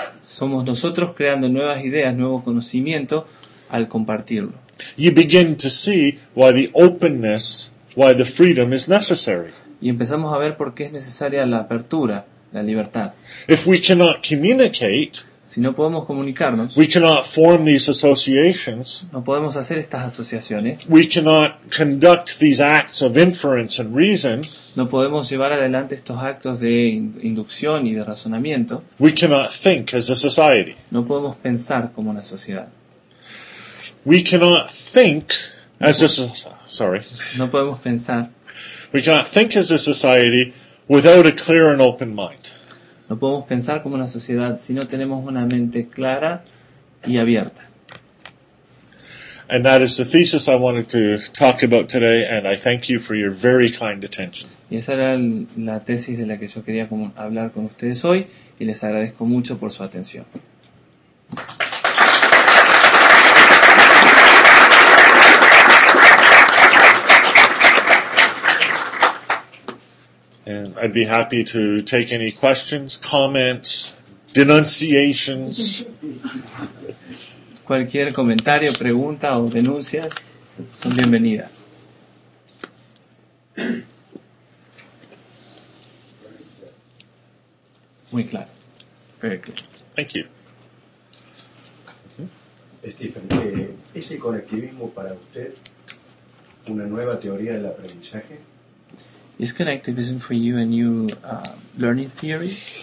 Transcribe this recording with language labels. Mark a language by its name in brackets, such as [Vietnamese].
[Spanish] Somos nosotros creando nuevas ideas, nuevo conocimiento al compartirlo. [English] You begin to see why the openness, why the freedom is necessary. [Spanish] Y empezamos a ver por qué es necesaria la apertura, la libertad. [English] If we cannot communicate, [Spanish] si no podemos comunicarnos, [English] we cannot form these associations, [Spanish] no podemos hacer estas asociaciones, [English] we cannot conduct these acts of inference and reason, [Spanish] no podemos llevar adelante estos actos de inducción y de razonamiento, [English] we cannot think as a society, [Spanish] no podemos pensar como una sociedad. [English] We cannot think as a society, sorry, [Spanish] no podemos pensar, [English] we cannot think as a society without a clear and open mind. [Spanish] No podemos pensar como una sociedad si no tenemos una mente clara y abierta. [English] And that is the thesis I wanted to talk about today, and I thank you for your very kind attention. [Spanish] Y esa era la tesis de la que yo quería hablar con ustedes hoy, y les agradezco mucho por su atención. [English] And I'd be happy to take any questions, comments, denunciations. [Spanish] Cualquier comentario, pregunta o denuncias son bienvenidas. Muy claro. [English] Very clear. Thank you. [Spanish] Stephen, ¿es el conectivismo para usted una nueva teoría del aprendizaje? [English] Is connectivism for you a new learning theory?